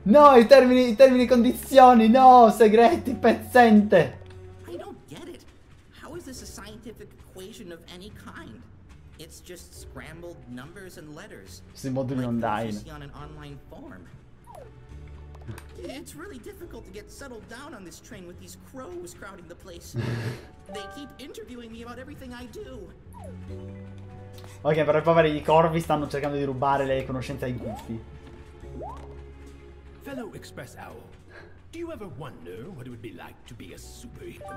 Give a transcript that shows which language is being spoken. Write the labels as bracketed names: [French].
[Italian] No, i termini e condizioni, no, segreti, pezzente! [English] I don't get it. How is this a scientific equation of any kind? It's just scrambled numbers and letters. [Italian] Si moduli online. [English] On an online form. It's really difficult to get settled down on this train with these crows crowding the place. They keep interviewing me about everything I do. [Italian] Ok, però i poveri i corvi stanno cercando di rubare le conoscenze ai gufi. [English] Fellow Express Owl, do you ever wonder what it would be like to be a superhero?